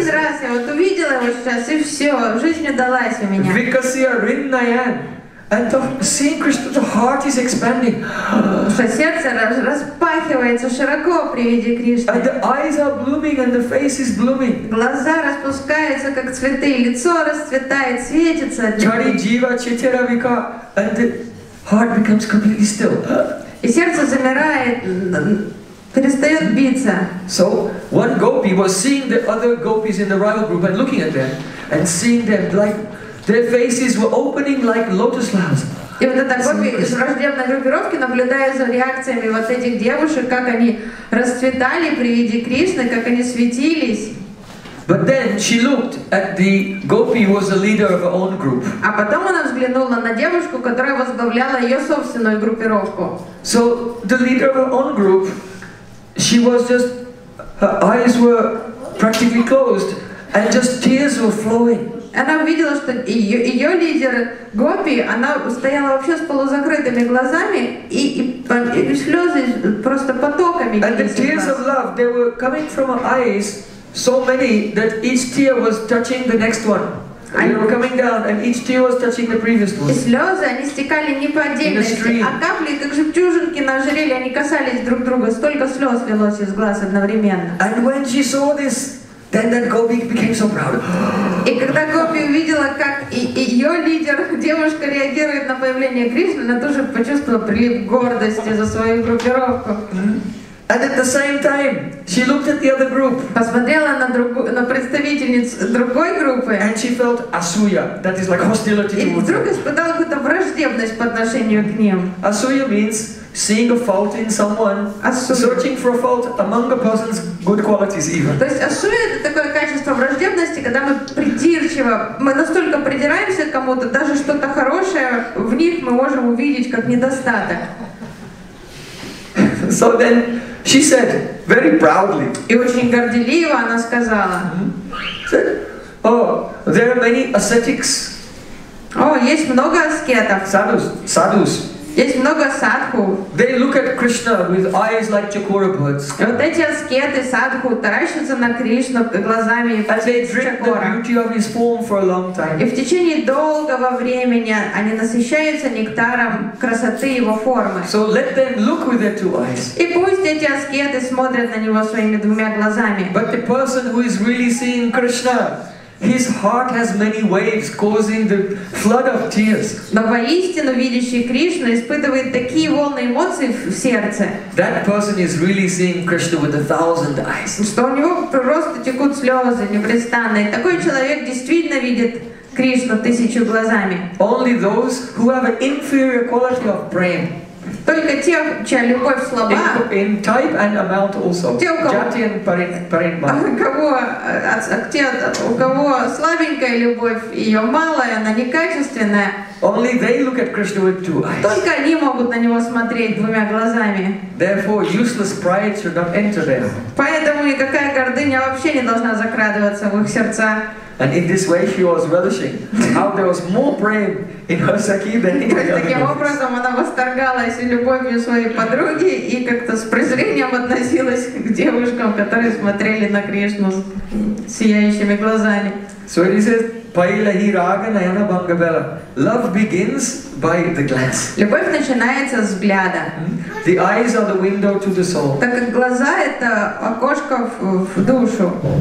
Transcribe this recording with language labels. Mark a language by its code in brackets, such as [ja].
[ru] Один раз я вот увидела его сейчас, и все, жизнь удалась у меня. [sa] Vikasya rinnayan. [en] And seeing Krishna, the heart is expanding. [ru] Сердце распахивается широко при виде Кришны. [en] And the eyes are blooming and the face is blooming. [ru] Глаза распускаются, как цветы, лицо расцветает, светится. [sa] Чари джива читеравика. [en] And the heart becomes completely still. [ru] И сердце замирает, перестает биться. [en] So one gopi was seeing the other gopis in the rival group and looking at them and seeing them like their faces were opening like lotus flowers. [ru] И вот эта гопи из враждебной группировки, наблюдая за реакциями вот этих девушек, как они расцветали при виде Кришны, как они светились. [en] But then she looked at the gopi who was the leader of her own group. [ru] А потом она взглянула на девушку, которая возглавляла ее собственную группировку. [en] So the leader of her own group, she was just, her eyes were practically closed, and just tears were flowing. [ru] Она увидела, что ее лидер гопи, она стояла вообще с полузакрытыми глазами, и слезы просто потоками. [en] And the tears of love, they were coming from her eyes. So many that each tear was touching the next one. They were coming down, and each tear was touching the previous one. [ru] И слезы, они стекали не по отдельности, а капли, как жемчужинки на ожерелье, они касались друг друга. Столько слез лилось из глаз одновременно. [en] And when she saw this, then that gopi became so proud. [ru] И когда гопи увидела, как ее лидер, девушка, реагирует на появление Кришны, она тоже почувствовала прилив гордости за свою группировку. [en] And at the same time, she looked at the other group. [ru] Посмотрела на другую, на представительниц другой группы. [en] And she felt asuya, that is like hostility towards. [ru] И вдруг испытала какую-то враждебность по отношению к ним. [en] Asuya means seeing a fault in someone, searching for a fault among a person's good qualities even. [ru] То есть асуя — это такое качество враждебности, когда мы придирчиво, мы настолько придираемся к кому-то, даже что-то хорошее в них мы можем увидеть как недостаток. [en] So then she said very proudly. [ru] И очень горделиво она сказала. [en] Oh, there are many ascetics. [ru] О, есть много аскетов. [en] Sadhus. [ru] Есть много садху. [en] They look at Krishna with eyes like chakora birds. [ru] Вот эти аскеты садху таращатся на Кришну глазами чакора. [en] And they drink the beauty of his form for a long time. [ru] И в течение долгого времени они насыщаются нектаром красоты его формы. [en] So let them look with their two eyes. [ru] И пусть эти аскеты смотрят на него своими двумя глазами. [en] But the person who is really seeing Krishna, his heart has many waves causing the flood of tears. [ru] Но воистину видящий Кришну испытывает такие волны эмоций в сердце. That person is really seeing Krishna with 1,000 eyes. Что у него просто текут слезы непрестанно. Такой человек действительно видит Кришну тысячу глазами. [en] Only those who have an inferior quality of prem. [ru] Только те, чья любовь слаба. [en] In type and amount also. [ru] Те, у кого, Jatian, parin, parin, у кого слабенькая любовь, ее мало, она некачественная. [en] Only they look at Krishna with two eyes. [ru] Только они могут на него смотреть двумя глазами. [en] Therefore, useless pride should not enter them. [ru] Поэтому никакая гордыня вообще не должна закрадываться в их сердца. [en] And in this way, she was relishing how there was more prem in her sakhi than in any other. [ru] Таким образом, она восторгалась любовью своей подруги и как-то с презрением относилась к девушкам, которые смотрели на Кришну сияющими глазами. [en] So he says, [bn] "Pailahi raga nayana bangabela." [en] Love begins by the glance. [ru] Любовь начинается с взгляда. [en] The eyes are the window to the soul. [ru] Так как глаза это окошко в душу.